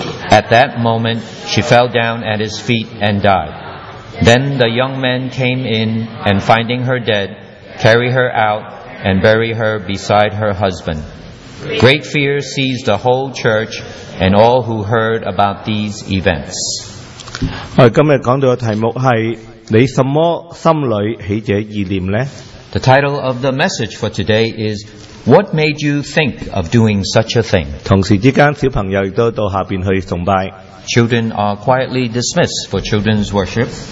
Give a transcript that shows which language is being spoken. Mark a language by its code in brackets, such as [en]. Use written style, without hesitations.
[en] At that moment, she fell down at his feet and died. Then the young men came in, and finding her dead, carry her out and bury her beside her husband. Great fear seized the whole church and all who heard about these events. [zh] 我们今天讲到的题目是你什么心里起这意念呢？ [en] The title of the message for today is What made you think of doing such a thing? [zh] 同时之间小朋友也到下面去崇拜。 [en] Children are quietly dismissed for children's worship.